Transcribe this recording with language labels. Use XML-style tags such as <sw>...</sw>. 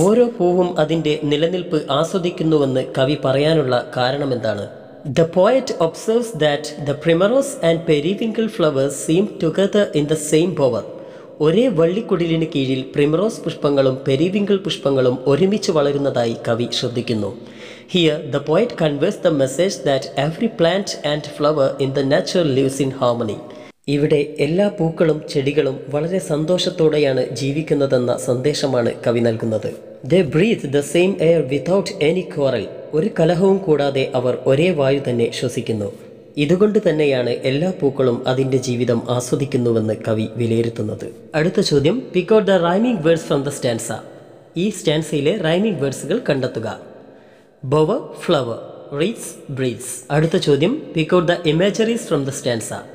<ml>ഓരോ പൂവും അതിൻ്റെ നിലനിൽപ്പ് ആസ്വദിക്കുന്നുവെന്ന് കവി പറയാനുള്ള കാരണം എന്താണ്?</ml> <en>The poet observes that the primrose and periwinkle flowers seem together in the same bower.</en> <ml>ഒരേ വള്ളിക്കുടിലിന് കീഴിൽ പ്രിമറോസ് പുഷ്പങ്ങളും പെരിവിങ്കിൾ പുഷ്പങ്ങളും ഒരുമിച്ച് വളരുന്നതായി കവി ശ്രദ്ധിക്കുന്നു.</ml> <en>Here, the poet conveys the message that every plant and flower in the nature lives in harmony.</en> <ml>ഇവിടെ എല്ലാ പൂക്കളും ചെടികളും വളരെ സന്തോഷത്തോടെയാണ് ജീവിക്കുന്നതെന്ന സന്ദേശമാണ് കവി നൽകുന്നത്.</ml> <en>They breathe the same air without any quarrel.</en> <ml>ഒരു കലഹവും കൂടാതെ അവർ ഒരേ വായു തന്നെ ശ്വസിക്കുന്നു. ഇതുകൊണ്ട് തന്നെയാണ് എല്ലാ പൂക്കളും അതിൻ്റെ ജീവിതം ആസ്വദിക്കുന്നുവെന്ന് കവി വിലയിരുത്തുന്നത്. അടുത്ത ചോദ്യം,</ml> <en>Pick out the rhyming words from the stanza.</en> <ml>ഈ സ്റ്റാൻസയിലെ റൈമിംഗ് വേർഡ്സുകൾ കണ്ടെത്തുക.</ml> <en>Bower flower, wreathes breathes.</en> <ml>അടുത്ത ചോദ്യം,</ml> <en>Pick out the imageries from the stanza.</en>